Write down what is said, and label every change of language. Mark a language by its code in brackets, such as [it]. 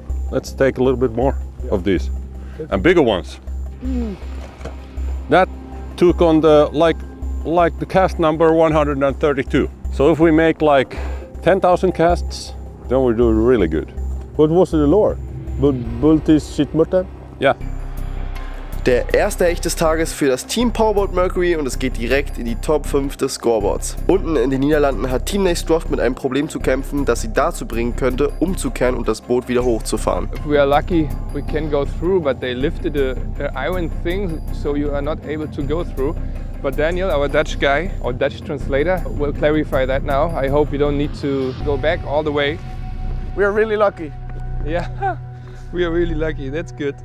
[en] Let's take a little bit more of these, and bigger ones. That took on the, like the cast number 132. So if we make like 10,000 casts, then we do really good. What was the lure? Bultis Schittmutter? Yeah. [de] Der erste Hecht des Tages für das Team Powerboat Mercury und es geht direkt in die Top 5 des Scoreboards. Unten in den Niederlanden hat Team Nextcroft mit einem Problem zu kämpfen, das sie dazu bringen könnte, umzukehren und das Boot wieder hochzufahren. [en] If we are lucky, we can go through, but they lifted the iron thing, so you are not able to go through. But Daniel, our Dutch guy, our Dutch translator, will clarify that now. I hope you don't need to go back all the way. We are really lucky. Yeah, we are really lucky. That's good.